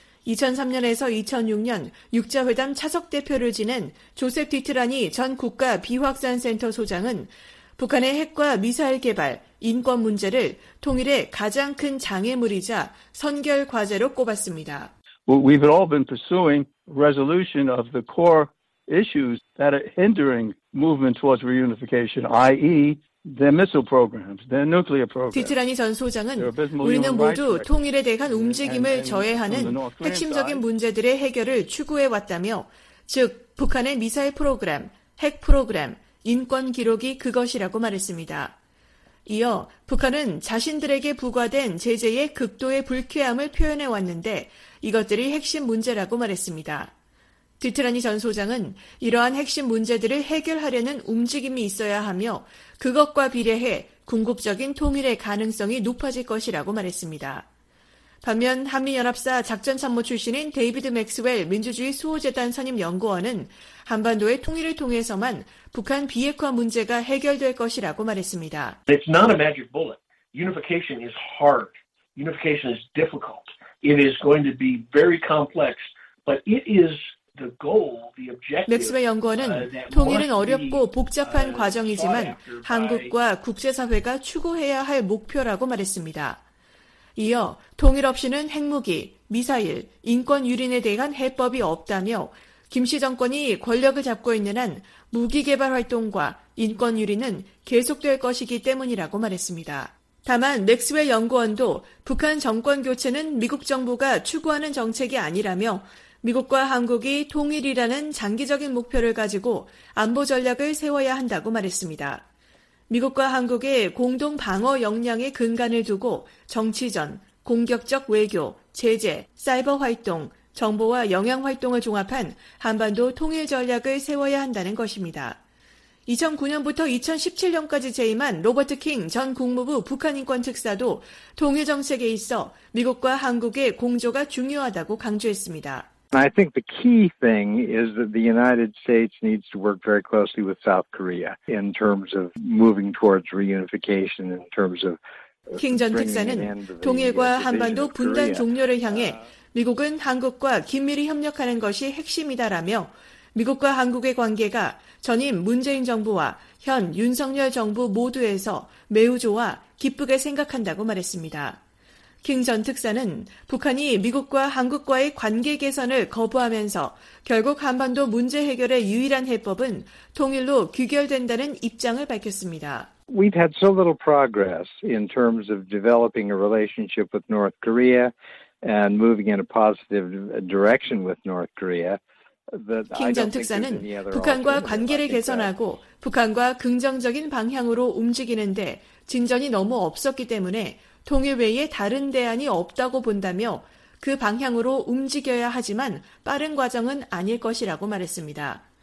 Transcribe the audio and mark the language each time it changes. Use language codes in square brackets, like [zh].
[ko] 2003년에서 2006년 6자회담 차석 대표를 지낸 조셉 디트라니 전 국가 비확산센터 소장은 북한의 핵과 미사일 개발, 인권 문제를 통일의 가장 큰 장애물이자 선결 과제로 꼽았습니다. [en] We've all been pursuing resolution of the core issues that are hindering movement towards reunification, i.e. their missile programs, their nuclear programs. [ko] 디트라니 전 소장은 우리는 모두 통일에 대한 움직임을 저해하는 핵심적인 문제들의 해결을 추구해 왔다며, 즉 북한의 미사일 프로그램, 핵 프로그램, 인권 기록이 그것이라고 말했습니다. 이어 북한은 자신들에게 부과된 제재의 극도의 불쾌함을 표현해 왔는데 이것들이 핵심 문제라고 말했습니다. 디트라니 전 소장은 이러한 핵심 문제들을 해결하려는 움직임이 있어야 하며 그것과 비례해 궁극적인 통일의 가능성이 높아질 것이라고 말했습니다. 반면 한미연합사 작전참모 출신인 데이비드 맥스웰 민주주의 수호재단 선임연구원은 한반도의 통일을 통해서만 북한 비핵화 문제가 해결될 것이라고 말했습니다. [en] It's not a magic bullet. Unification is hard. Unification is difficult. It is going to be very complex, but it is the goal, the objective. [ko] 맥스웰 연구원은 통일은 어렵고 복잡한 과정이지만 한국과 국제사회가 추구해야 할 목표라고 말했습니다. 이어 통일 없이는 핵무기, 미사일, 인권 유린에 대한 해법이 없다며 김씨 정권이 권력을 잡고 있는 한 무기 개발 활동과 인권 유린은 계속될 것이기 때문이라고 말했습니다. 다만 맥스웰 연구원도 북한 정권 교체는 미국 정부가 추구하는 정책이 아니라며 미국과 한국이 통일이라는 장기적인 목표를 가지고 안보 전략을 세워야 한다고 말했습니다. 미국과 한국의 공동 방어 역량의 근간을 두고 정치전, 공격적 외교, 제재, 사이버 활동, 정보와 영향 활동을 종합한 한반도 통일 전략을 세워야 한다는 것입니다. 2009년부터 2017년까지 재임한 로버트 킹 전 국무부 북한인권특사도 통일 정책에 있어 미국과 한국의 공조가 중요하다고 강조했습니다. [en] I think the key thing is that the United States needs to work very closely with South Korea in terms of moving towards reunification, in terms of [ko] 킹 전 특사는 통일과 한반도 분단 종료를 향해 미국은 한국과 긴밀히 협력하는 것이 핵심이다라며 미국과 한국의 관계가 전임 문재인 정부와 현 윤석열 정부 모두에서 매우 좋아 기쁘게 생각한다고 말했습니다. 킹 전 특사는 북한이 미국과 한국과의 관계 개선을 거부하면서 결국 한반도 문제 해결의 유일한 해법은 통일로 귀결된다는 입장을 밝혔습니다. [en] We've had so little progress in terms of developing a relationship with North Korea and moving in a positive direction with North Korea. [ko] 킹 전 특사는 북한과 관계를 개선하고 북한과 긍정적인 방향으로 움직이는데 진전이 너무 없었기 때문에 통일 외에 다른 대안이 없다고 본다며 그 방향으로 움직여야 하지만 빠른 과정은 아닐 것이라고 말했습니다.